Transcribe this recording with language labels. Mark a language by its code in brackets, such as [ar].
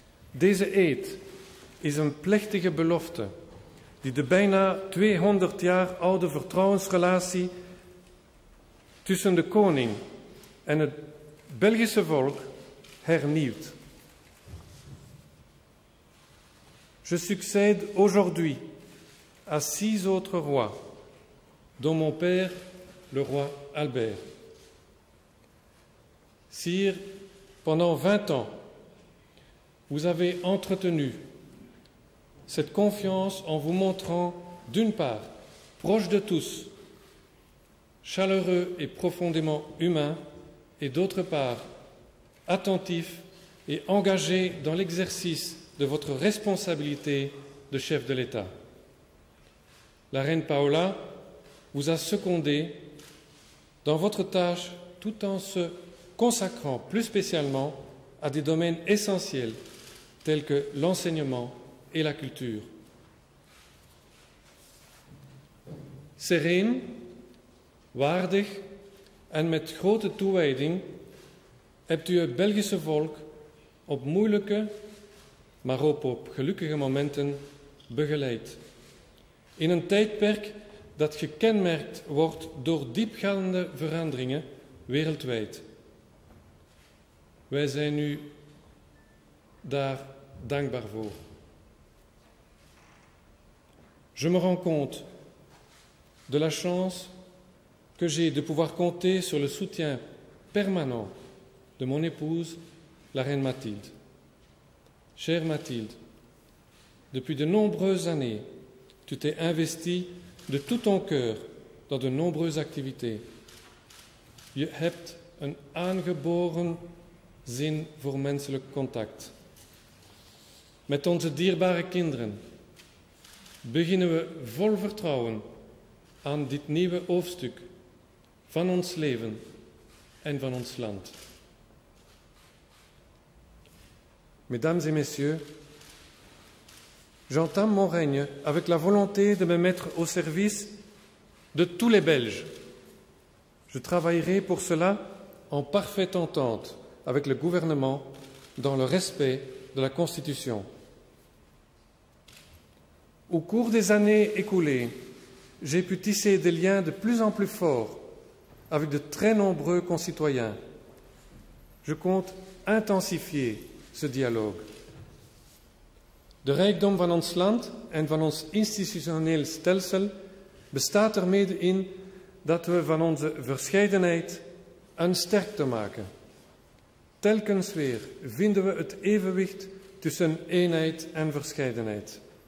[nl] Deze eed is een plechtige belofte die de bijna 200 jaar oude vertrouwensrelatie tussen de koning en het Belgische volk hernieuwt. [fr] Je succède aujourd'hui à 6 autres rois, dont mon père, le roi Albert. Sire, pendant 20 ans, vous avez entretenu cette confiance en vous montrant, d'une part, proche de tous, chaleureux et profondément humain, et d'autre part, attentif et engagé dans l'exercice de votre responsabilité de chef de l'État. La reine Paola vous a secondé dans votre tâche tout en se consacrant plus spécialement à des domaines essentiels tels que l'enseignement et la culture. [nl] Sereen, waardig en met grote toewijding hebt u het Belgische volk op moeilijke, maar ook op gelukkige momenten begeleid. In een tijdperk dat gekenmerkt wordt door diepgaande veranderingen wereldwijd. Wij zijn u daar dankbaar voor. [fr] Je me rends compte de la chance que j'ai de pouvoir compter sur le soutien permanent de mon épouse, la reine Mathilde. Chère Mathilde, depuis de nombreuses années, tu t'es investie de tout ton cœur dans de nombreuses activités. [nl] Je hebt een aangeboren zin voor menselijk contact. Met onze dierbare kinderen beginnen we vol vertrouwen aan dit nieuwe hoofdstuk van ons leven en van ons land. [fr] Mesdames et messieurs, j'entame mon règne avec la volonté de me mettre au service de tous les Belges. Je travaillerai pour cela en parfaite entente avec le gouvernement dans le respect de la Constitution. Au cours des années écoulées, j'ai pu tisser des liens de plus en plus forts avec de très nombreux concitoyens. Je compte intensifier ce dialogue. [nl] De rijkdom van ons land en van ons institutioneel stelsel bestaat er mede in dat we van onze verscheidenheid een sterkte maken. Telkens weer vinden we het evenwicht tussen eenheid en verscheidenheid.